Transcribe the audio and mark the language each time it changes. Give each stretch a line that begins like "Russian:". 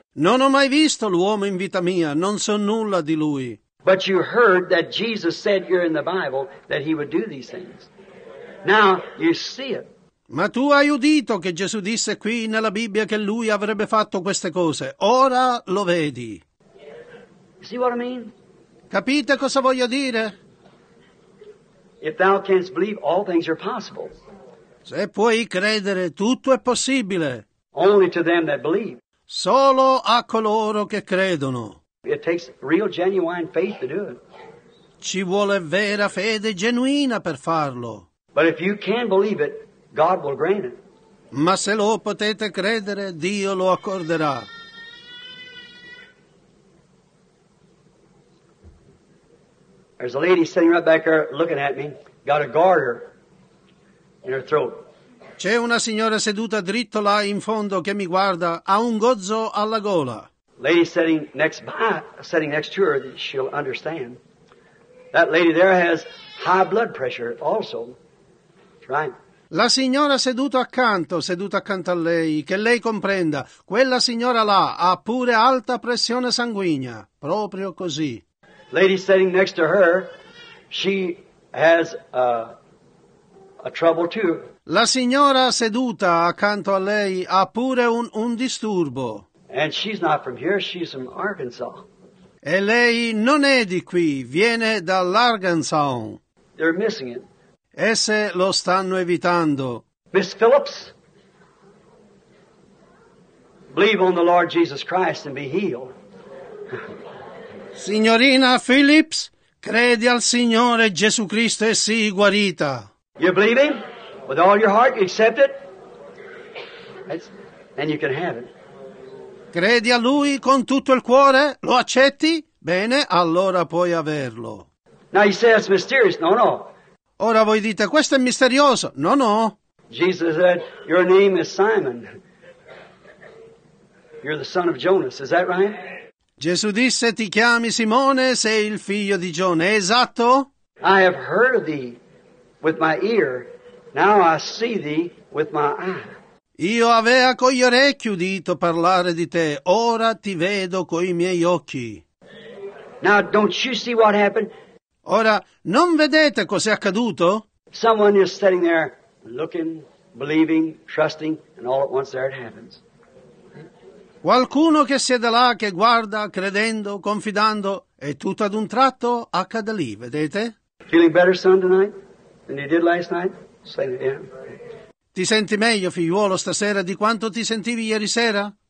Italian: Non ho mai visto l'uomo in vita mia, non so nulla di lui.
English: But you heard that Jesus said here in the Bible that he would do these things. Now you see it.
Italian: Ma tu hai udito che Gesù disse qui nella Bibbia che lui avrebbe fatto queste cose. Ora lo vedi.
English: See what I mean?
Italian: Capite cosa voglio dire?
English: If thou canst believe, all things are possible.
Italian: Se puoi credere, tutto è possibile.
English: Only to them that believe.
Italian: Solo a coloro che credono.
English: It takes real genuine faith to do it.
Italian: Ci vuole vera fede genuina per farlo.
English: But if you can believe it, God will grant it.
Italian: Ma se lo potete credere, Dio lo accorderà.
English: There's a lady sitting right back there looking at me. Got a garter in her throat.
Italian: C'è una signora seduta dritto là in fondo che mi guarda. Ha un gozzo alla gola.
English: Lady sitting next to her, she'll understand. That lady there has high blood pressure also. That's right.
Italian: La signora seduta accanto a lei, che lei comprenda. Quella signora là ha pure alta pressione sanguigna. Proprio così.
English: Lady sitting next to her, she has a trouble too.
Italian: La signora seduta accanto a lei ha pure un disturbo.
English: And she's not from here, she's from Arkansas.
Italian: E lei non è di qui, viene dall'Arkansas.
English: They're missing it.
Italian: Esse lo stanno evitando.
English: Miss Phillips, believe on the Lord Jesus Christ and be healed.
Italian: Signorina Phillips, credi al Signore Gesù Cristo e sii guarita.
English: You believe him with all your heart, you accept it, and you can have it.
Italian: Credi a lui con tutto il cuore, lo accetti? Bene, allora puoi averlo.
English: Now you say it's mysterious. No, no.
Italian: Ora voi dite, questo è misterioso. No, no.
English: Jesus said, your name is Simon. You're the son of Jonas. Is that right?
Italian: Gesù disse, ti chiami Simone, sei il figlio di Giona. Esatto?
English: I have heard of thee with my ear, now I see thee with my eye.
Italian: Io avea con gli orecchi udito parlare di te, ora ti vedo coi miei occhi.
English: Now, don't you see what happened?
Italian: Ora, non vedete cos'è accaduto?
English: Someone is standing there, looking, believing, trusting, and all at once there it happens.
Italian: Qualcuno che siede là, che guarda, credendo, confidando, e tutto ad un tratto accade lì, vedete?
English: Feeling better, son, tonight than you did last night? Say it again.
Italian: Ti senti meglio, figliuolo, stasera di quanto ti sentivi ieri sera?